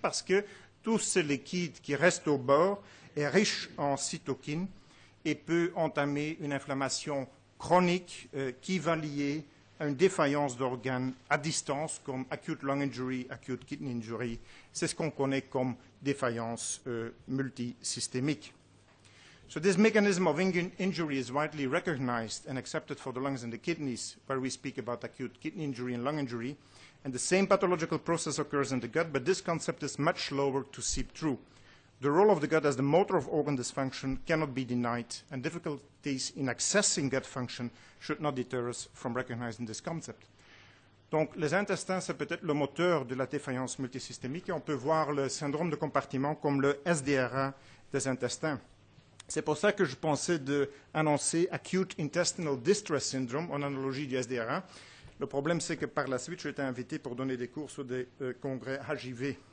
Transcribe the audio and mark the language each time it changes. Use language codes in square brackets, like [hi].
[fr] Parce que tout ce liquide qui reste au bord est riche en cytokines et peut entamer une inflammation chronique qui va lier à une défaillance d'organes à distance, comme [en] acute lung injury, acute kidney injury. [fr] C'est ce qu'on connaît comme défaillance multisystémique. [en] So this mechanism of injury is widely recognized and accepted for the lungs and the kidneys, where we speak about acute kidney injury and lung injury. And the same pathological process occurs in the gut, but this concept is much slower to seep through. The role of the gut as the motor of organ dysfunction cannot be denied, and difficulties in accessing gut function should not deter us from recognizing this concept. [fr] Donc, les intestins, c'est peut-être le moteur de la défaillance multisystémique, et on peut voir le syndrome de compartiment comme le SDRA des intestins. C'est pour ça que je pensais d'annoncer Acute Intestinal Distress Syndrome, en analogie du SDRA. Le problème, c'est que par la suite, j'ai été invité pour donner des cours sur des congrès HIV.